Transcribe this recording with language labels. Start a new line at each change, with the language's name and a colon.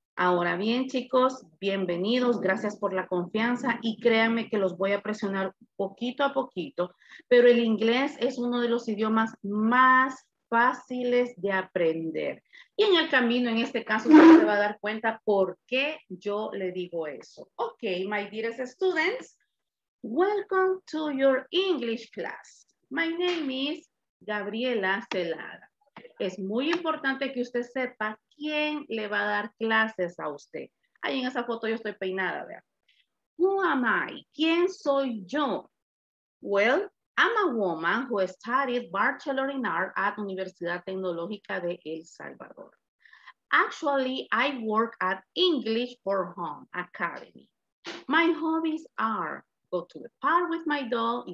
Spanish: Ahora bien, chicos, bienvenidos, gracias por la confianza y créanme que los voy a presionar poquito a poquito, pero el inglés es uno de los idiomas más fáciles de aprender. Y en el camino, en este caso, usted se va a dar cuenta por qué yo le digo eso.
English: Ok, my dearest students, welcome to your English class. My name is Gabriela Celada.
Spanish: Es muy importante que usted sepa quién le va a dar clases a usted. Ahí en esa foto yo estoy peinada, vea.
English: Who am I? ¿Quién soy yo? Well, I'm a woman who studied Bachelor in Art at Universidad Tecnológica de El Salvador. Actually, I work at English for Home Academy. My hobbies are go to the park with my dog.